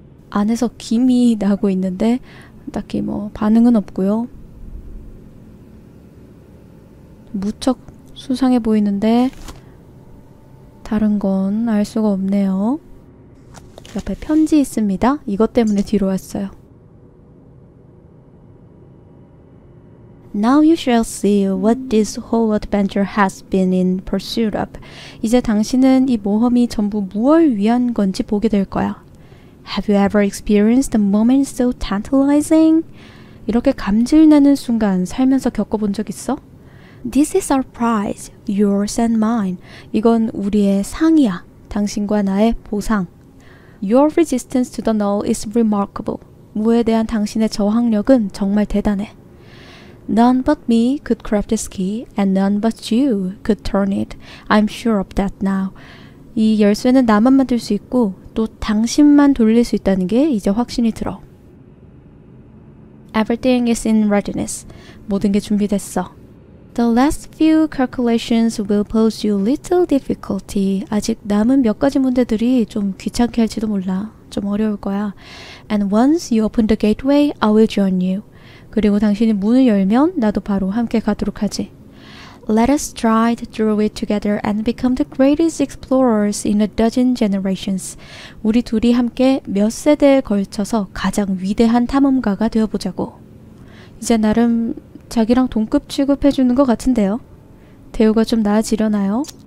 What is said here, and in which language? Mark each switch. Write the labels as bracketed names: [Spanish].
[Korean] 안에서 김이 나고 있는데 딱히 뭐 반응은 없고요. 무척 수상해 보이는데 다른 건 알 수가 없네요. 옆에 편지 있습니다. 이것 때문에 뒤로 왔어요. [English] Now you shall see what this whole adventure has been in pursuit of. [Korean] 이제 당신은 이 모험이 전부 무엇을 위한 건지 보게 될 거야. [English] Have you ever experienced a moment so tantalizing? [Korean] 이렇게 감질나는 순간 살면서 겪어본 적 있어? [English] This is our prize, yours and mine. [Korean] 이건 우리의 상이야. 당신과 나의 보상. [English] Your resistance to the null is remarkable. [Korean] 무에 대한 당신의 저항력은 정말 대단해. [English] None but me could craft this key, and none but you could turn it. I'm sure of that now. [Korean] 이 열쇠는 나만 만들 수 있고, 또 당신만 돌릴 수 있다는 게 이제 확신이 들어. [English] Everything is in readiness. [Korean] 모든 게 준비됐어. [English] The last few calculations will pose you little difficulty. [Korean] 아직 남은 몇 가지 문제들이 좀 귀찮게 할지도 몰라. 좀 어려울 거야. [English] And once you open the gateway, I will join you. [Korean] 그리고 당신이 문을 열면 나도 바로 함께 가도록 하지. [English] Let us stride through it together and become the greatest explorers in a dozen generations. [Korean] 우리 둘이 함께 몇 세대에 걸쳐서 가장 위대한 탐험가가 되어보자고. 이제 나름 자기랑 동급 취급해주는 것 같은데요. 대우가 좀 나아지려나요?